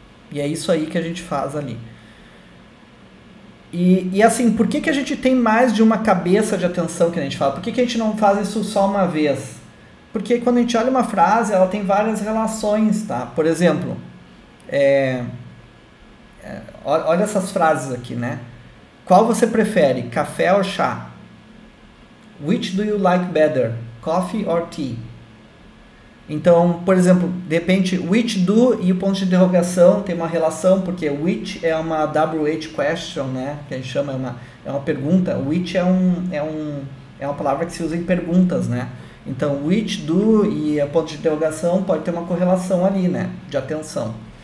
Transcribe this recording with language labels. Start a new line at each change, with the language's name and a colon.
Portuguese: E é isso aí que a gente faz ali. E assim, por que que a gente tem mais de uma cabeça de atenção que a gente fala? Por que que a gente não faz isso só uma vez? Porque quando a gente olha uma frase, ela tem várias relações, tá? Por exemplo, olha essas frases aqui, né? Qual você prefere, café ou chá?
English: Which do you like better, coffee or tea?
Portuguese: Então, por exemplo, de repente, which do e o ponto de interrogação tem uma relação, porque which é uma WH question, né? Que a gente chama, é uma pergunta. Which é uma palavra que se usa em perguntas, né? Então, which do e o ponto de interrogação pode ter uma correlação ali, né? De atenção.